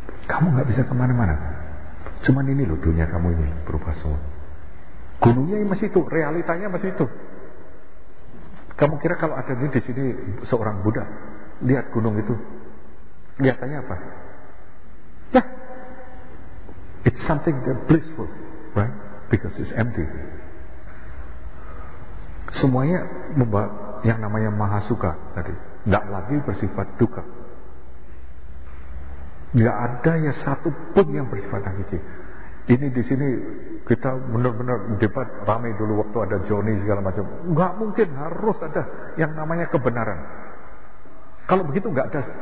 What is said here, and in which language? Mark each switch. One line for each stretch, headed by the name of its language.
Indonesian: Kamu nggak bisa kemana-mana. Cuman ini loh dunia kamu ini berubah semua. Gunungnya masih itu, realitanya masih itu. Kamu kira kalau ada di sini seorang Buddha lihat gunung itu kelihatannya apa? Ya, yeah.
English: It's something that blissful, right? Because it's empty.
Indonesian: Semuanya membawa yang namanya maha suka tadi, tidak lagi bersifat duka. Tidak ada yang satu pun yang bersifat hakiki. Ini di sini kita benar-benar debat ramai dulu waktu ada Johnny segala macam. Tidak mungkin, harus ada yang namanya kebenaran. Kalau begitu tidak ada.